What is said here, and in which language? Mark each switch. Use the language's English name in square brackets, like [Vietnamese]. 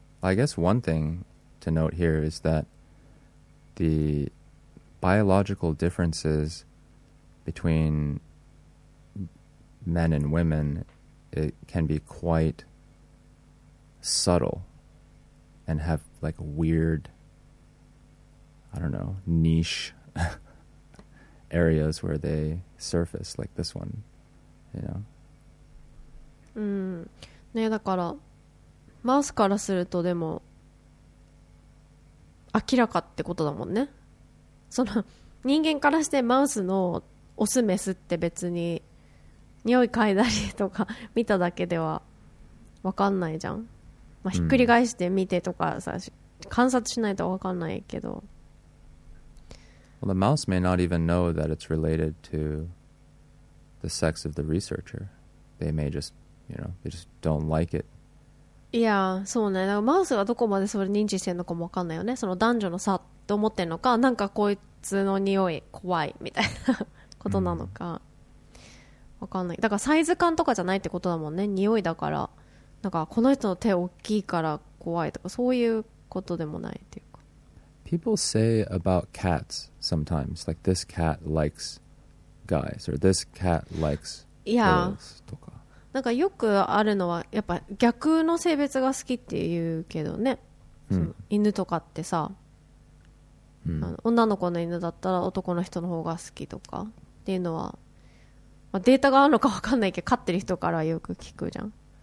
[English] I guess one thing to note here is that the biological differences between men and women, it can be quite subtle and have like weird, I don't know, niche areas where they surface, like this one, you know? [Japanese] ね、だからマウスからするとでも明らかってことだもんね。その人間からしてマウスのオスメスって別に匂い嗅いだりとか見ただけでは分かんないじゃん、まあ、ひっくり返して見てとかさ、うん、観察しないと分かんないけど。 [English] Well, the mouse may not even know that it's related to the sex of the researcher. They may justYou know, they just don't like it. [Japanese] Yeah, そうね。だからマウスがどこまでそれ認知してるのかもわかんないよね。その男女の差と思ってるのか、なんかこいつの匂い怖いみたいなことなのか、わかんない。だからサイズ感とかじゃないってことだもんね。匂いだから、なんかこの人の手大きいから怖いとかそういうことでもないっていうか。 [English] People say about cats sometimes, like this cat likes guys or this cat likes girls、 yeah. [Japanese] とか。なんかよくあるのはやっぱ逆の性別が好きって言うけどね、うん、犬とかってさ、うん、あの女の子の犬だったら男の人の方が好きとかっていうのは、まあ、データがあるのか分かんないけど飼ってる人からよく聞くじゃん。